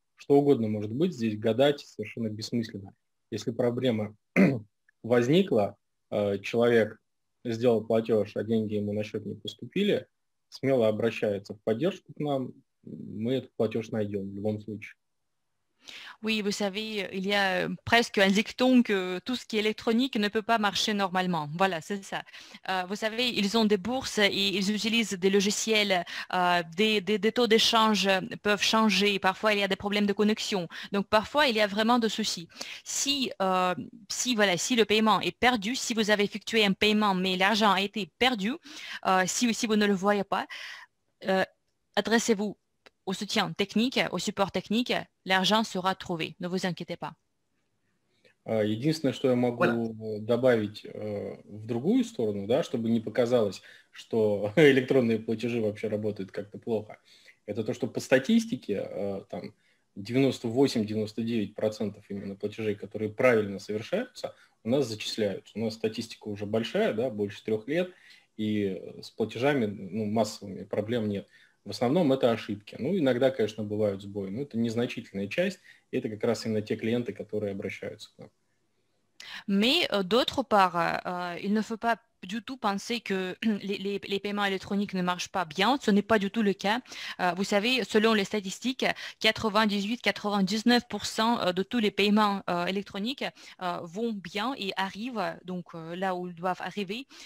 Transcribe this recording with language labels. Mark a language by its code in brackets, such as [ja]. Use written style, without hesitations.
[ru] Что угодно может быть, здесь гадать совершенно бессмысленно. Если проблема... возникло, человек сделал платеж, а деньги ему на счет не поступили, смело обращается в поддержку к нам, мы этот платеж найдем в любом случае. [fr] Oui, vous savez, il y a presque un dicton que tout ce qui est électronique ne peut pas marcher normalement. Voilà, c'est ça. Vous savez, ils ont des bourses et ils utilisent des logiciels, des taux d'échange peuvent changer. Parfois, il y a des problèmes de connexion. Donc, parfois, il y a vraiment des soucis. Si le paiement est perdu, si vous avez effectué un paiement, mais l'argent a été perdu, si vous ne le voyez pas, adressez-vous au soutien technique, au support technique, l'argent sera trouvé. Ne vous inquiétez pas. [ru] Единственное, что я могу добавить в другую сторону, да, чтобы не показалось, что электронные платежи вообще работают как-то плохо, это то, что по статистике там 98-99% именно платежей, которые правильно совершаются, у нас зачисляются. У нас статистика уже большая, да, больше 3 лет, и с платежами массовыми проблем нет. В основном это ошибки. Ну, иногда, конечно, бывают сбои, но это незначительная часть, и это как раз именно те клиенты, которые обращаются к нам. [fr] Mais d'autre part, il ne faut pas du tout penser que les paiements électroniques ne marchent pas bien. Ce n'est pas du tout le cas. Vous savez, selon les statistiques, 98-99% de tous les paiements électroniques vont bien et arrivent donc là où ils doivent arriver.